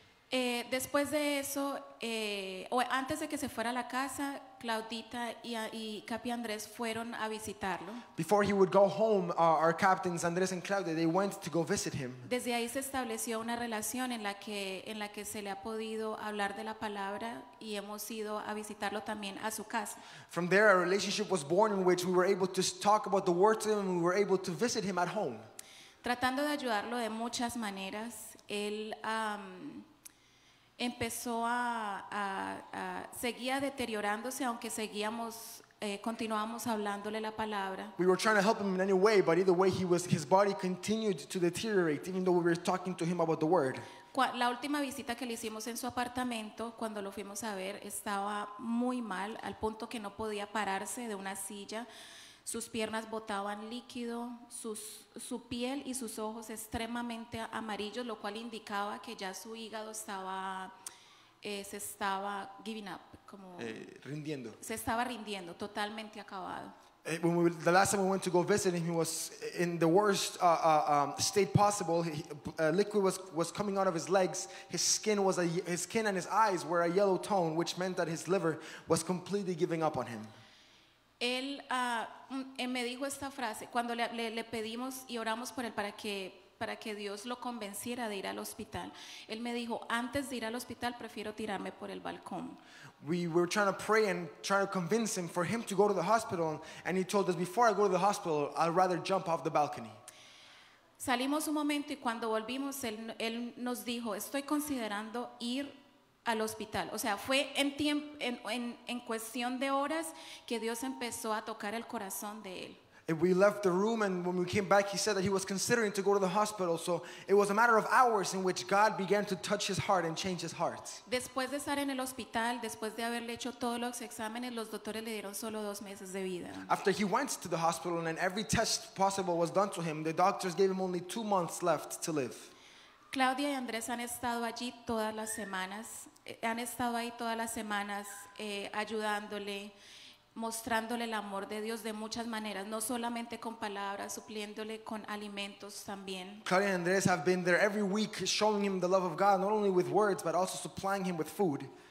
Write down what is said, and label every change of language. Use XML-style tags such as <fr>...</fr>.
<es>Después de eso, o antes de que se fuera a la casa, Claudita y Capi Andrés fueron a visitarlo.</es> <en>Before he would go home, our captains Andrés and Claudia, they went to go visit him.</en> <es>Desde ahí se estableció una relación en la que se le ha podido hablar de la palabra y hemos ido a visitarlo también a su casa.</es> <en>From there, a relationship was born in which we were able to talk about the word to him and we were able to visit him at home.</en> <es>Tratando de ayudarlo de muchas maneras, él empezó a seguía deteriorándose aunque seguíamos continuábamos hablándole la palabra.</es> <en>We were trying to help him in any way, but either way his body continued to deteriorate even though we were talking to him about the word.</en> <es>La última visita que le hicimos en su apartamento, cuando lo fuimos a ver, estaba muy mal al punto que no podía pararse de una silla. Sus piernas botaban líquido, su piel y sus ojos extremadamente amarillos, lo cual indicaba que ya su hígado se estaba</es> <en>giving up,</en> <es>como rindiendo. Se estaba rindiendo, totalmente acabado.</es> <en>The last time we went to go visit him, he was in the worst state possible. Liquid was coming out of his legs. His skin and his eyes were a yellow tone, which meant that his liver was completely giving up on him.</en> <es>Él me dijo esta frase cuando le pedimos y oramos por él para que Dios lo convenciera de ir al hospital. Él me dijo, antes de ir al hospital prefiero tirarme por el balcón.</es> <en>We were trying to pray and trying to convince him for him to go to the hospital, and he told us, before I go to the hospital, I'd rather jump off the balcony.</en> <es>Salimos un momento y cuando volvimos, él nos dijo, estoy considerando ir al hospital. O sea, fue en cuestión de horas que Dios empezó a tocar el corazón de él.</es> <en>And we left the room, and when we came back, he said that he was considering to go to the hospital. So it was a matter of hours in which God began to touch his heart and change his heart.</en> <es>Después de estar en el hospital, después de haberle hecho todos los exámenes, los doctores le dieron solo 2 meses de vida.</es> <en>After he went to the hospital and every test possible was done to him, the doctors gave him only 2 months left to live.</en> <es>Claudia y Andrés han estado allí todas las semanas. Han estado ahí todas las semanas ayudándole, mostrándole el amor de Dios de muchas maneras, no solamente con palabras, supliéndole con alimentos también.</es> <en>Claudia and Andrés have been there every week showing him the love of God, not only with words but also supplying him with food.</en>